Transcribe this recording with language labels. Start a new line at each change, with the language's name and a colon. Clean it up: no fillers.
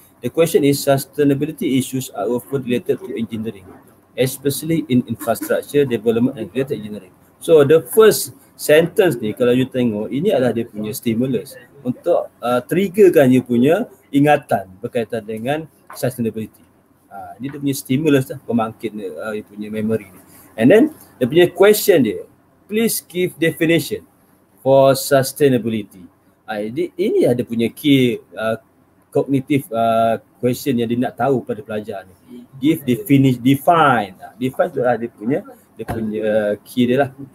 English: The question is sustainability issues are often related to engineering, especially in infrastructure development and greater engineering. So the first sentence
Malay: ni kalau you tengok, ini adalah dia punya stimulus untuk triggerkan you punya ingatan berkaitan dengan sustainability. Ini dia punya stimulus lah, pemangkit you punya memory ni.
English: And then
Malay: dia punya
English: question dia, please give definition for sustainability.
Malay: Ini ada punya key cognitive question yang dia nak tahu pada pelajar ni.
English: Give definition, define
Malay: tu lah dia punya key dia lah.